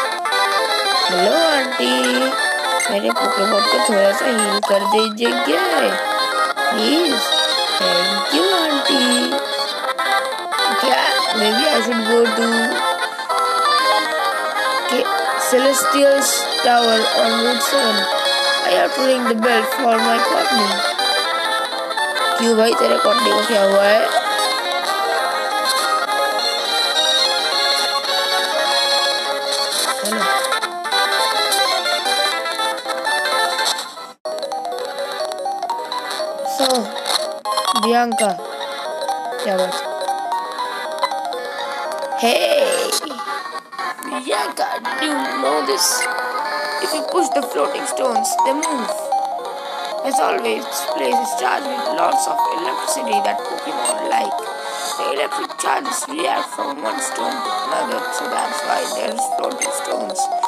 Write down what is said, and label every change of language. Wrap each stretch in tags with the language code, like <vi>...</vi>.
<hi>Hello auntie, मेरे Pokemon को थोड़ा सा heal कर दीजिए क्या?</hi> <en>Please. Thank you, auntie. Yeah, maybe I should go to Celestial's Tower on Route 7. I have to ring the bell for my partner.</en> <hi>क्यों भाई तेरे partner को क्या हुआ है? Bianca, क्या बात?</hi> <en>Hey, Bianca, did you know this? If you push the floating stones, they move. As always, this place is charged with lots of electricity that Pokemon like. The electric charges react from one stone to another, so that's why there's floating stones.</en>